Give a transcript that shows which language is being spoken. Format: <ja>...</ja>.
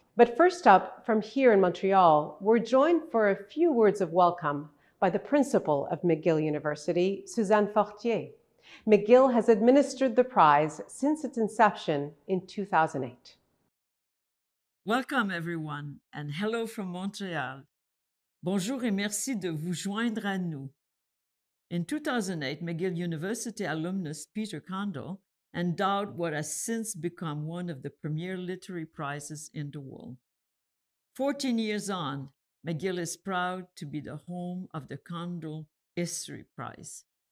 <en>But first up, from here in Montreal, we're joined for a few words of welcome by the principal of McGill University, Suzanne Fortier. McGill has administered the prize since its inception in 2008. Welcome, everyone, and hello from Montreal.</en> <fr>Bonjour et merci de vous joindre à nous.</fr> <en>In 2008, McGill University alumnus Peter Cundill endowed what has since become one of the premier literary prizes in the world. 14 years on, McGill is proud to be the home of the Cundill History Prize.</en>